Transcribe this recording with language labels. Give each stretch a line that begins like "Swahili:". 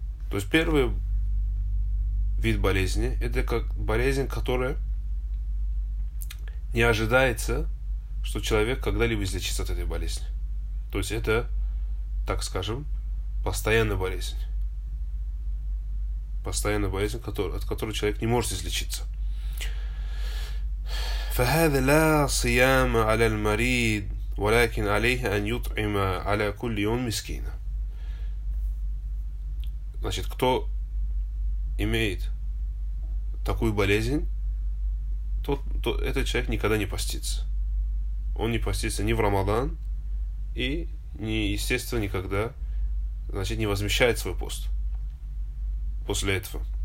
Russian: То есть первый вид болезни – это как болезнь, которая не ожидается, что человек когда-либо излечится от этой болезни. То есть это, так скажем, постоянная болезнь. Постоянная болезнь, от которой человек не может излечиться.
Arabic: فهذا لا صيام على المريض ولكن عليه أن يطعم على كل يوم مسكينا.
Russian: Значит, кто имеет такую болезнь, тот этот человек никогда не постится. Он не постится ни в Рамадан и, не, естественно, никогда, значит, не возмещает свой пост после этого.